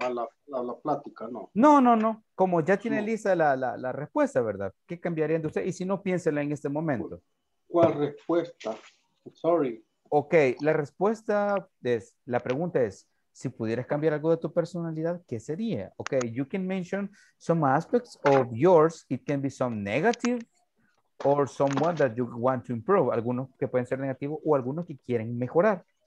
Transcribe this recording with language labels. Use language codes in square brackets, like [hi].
[es] A la plática, no. No, no, no. Como ya tiene no. Lista la respuesta, ¿verdad? ¿Qué cambiarían de usted? Y si no, piénsela en este momento. Bueno. ¿Cuál respuesta? Sorry. Ok, la respuesta es, la pregunta es, si pudieras cambiar algo de tu personalidad, ¿qué sería? [en] Ok, you can mention some aspects of yours. It can be some negative or someone that you want to improve. [es] Algunos que pueden ser negativos o algunos que quieren mejorar.